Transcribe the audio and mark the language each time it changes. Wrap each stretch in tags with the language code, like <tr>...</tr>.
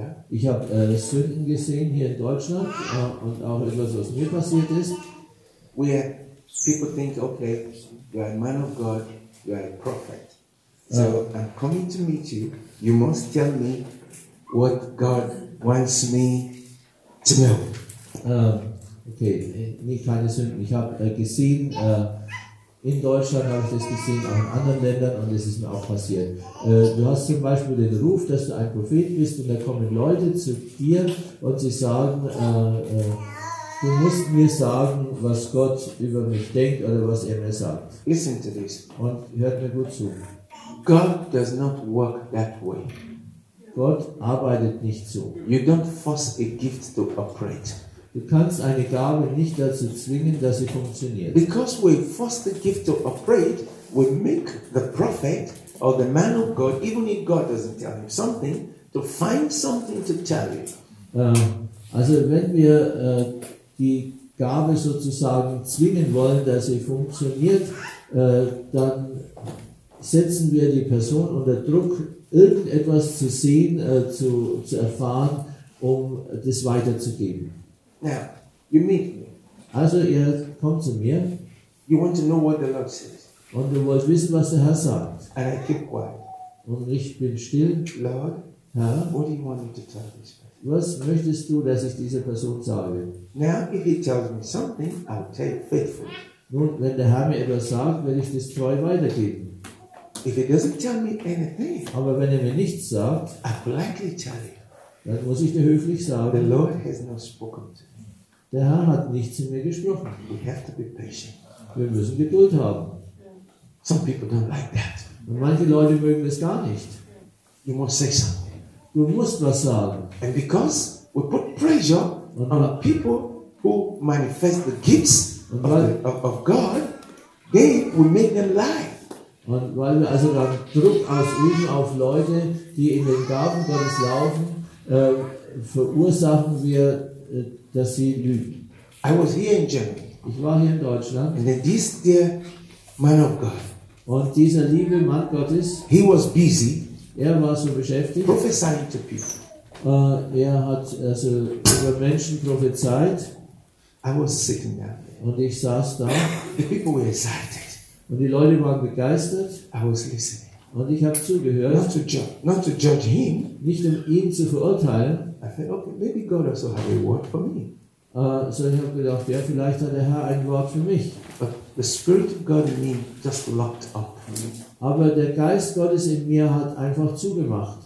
<de>Ich habe Sünden gesehen hier in Deutschland und auch etwas, was mir passiert ist.</de> <en>Where people think, okay, you are a man of God, you are a prophet. So I'm coming to meet you. You must tell me what God wants me to know.</en> <de>In Deutschland habe ich das gesehen, auch in anderen Ländern, und das ist mir auch passiert. Du hast zum Beispiel den Ruf, dass du ein Prophet bist, und da kommen Leute zu dir und sie sagen, du musst mir sagen, was Gott über mich denkt oder was er mir sagt.</de> <en>Listen to this.</en> <de>Und hört mir gut zu.</de> <en>God does not work that way.</en> <de>Gott arbeitet nicht so.</de> <en>You don't force a gift to operate.</en> <de>Du kannst eine Gabe nicht dazu zwingen, dass sie funktioniert.</de> <en>Because we force the gift to operate, we make the prophet or the man of God, even if God doesn't tell him something, to find something to tell you.</en> <de>Also wenn wir die Gabe sozusagen zwingen wollen, dass sie funktioniert, dann setzen wir die Person unter Druck, irgendetwas zu sehen, zu erfahren, um das weiterzugeben.</de> <en>Now, you meet me.</en> <de>Also, ihr kommt zu mir.</de> <en>You want to know what the Lord says.</en> <de>Und du wollt wissen, was der Herr sagt.</de> <en>And I keep quiet.</en> <de>Und ich bin still.</de> <en>Lord,</en> <de>Herr,</de> <en>what do you want me to tell this person?</en> <de>Was möchtest du, dass ich dieser Person sage?</de> <en>Now, if he tells me something, I'll tell you faithfully.</en> <de>Nun, wenn der Herr mir etwas sagt, werde ich das treu weitergeben.</de> <en>If he doesn't tell me anything,</en> <de>aber wenn er mir nichts sagt,</de> <en>I'll politely tell you.</en> <de>Dann muss ich dir höflich sagen,</de> <en>the Lord has not spoken to me.</en> <de>Der Herr hat nicht zu mir gesprochen.</de> <en>We have to be patient.</en> <de>Wir müssen Geduld haben.</de> <en>Some people don't like that.</en> <de>Und manche Leute mögen es gar nicht.</de> <en>You must say something.</en> <de>Du musst was sagen.</de> <en>And because we put pressure on people who manifest the gifts of God, they will make them lie.</en> <de>Und weil wir also dann Druck ausüben auf Leute, die in den Gaben Gottes laufen, verursachen wir, dass sie lügen.</de> <en>I was here in Germany.</en> <de>Ich war hier in Deutschland.</de> <en>And then this dear man of God.</en> <de>Und dieser liebe Mann Gottes.</de> <en>He was busy.</en> <de>Er war so beschäftigt.</de> <en>Prophesying to people.</en> <de>Er hat also über Menschen prophezeit.</de> <en>I was sitting there.</en> <de>Und ich saß da.</de> <en>The people were excited.</en> <de>Und die Leute waren begeistert.</de> <en>I was listening.</en> <de>Und ich habe zugehört,</de> <en>not to judge him,</en> <de>nicht um ihn zu verurteilen.</de> <en>I thought, okay, maybe God also had a word for me.</en> <de>So ich habe gedacht, ja, vielleicht hat der Herr ein Wort für mich.</de> <en>But the Spirit of God in me just locked up.</en> <de>Aber der Geist Gottes in mir hat einfach zugemacht.</de>